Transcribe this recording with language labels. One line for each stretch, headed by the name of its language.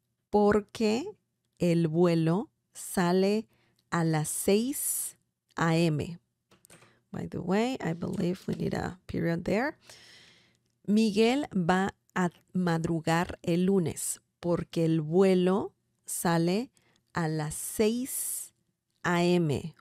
Spanish: Porque el vuelo sale a las 6 a.m.
English: By the way, I believe we need a period there.
Spanish: Miguel va a madrugar el lunes porque el vuelo sale a las 6 a.m.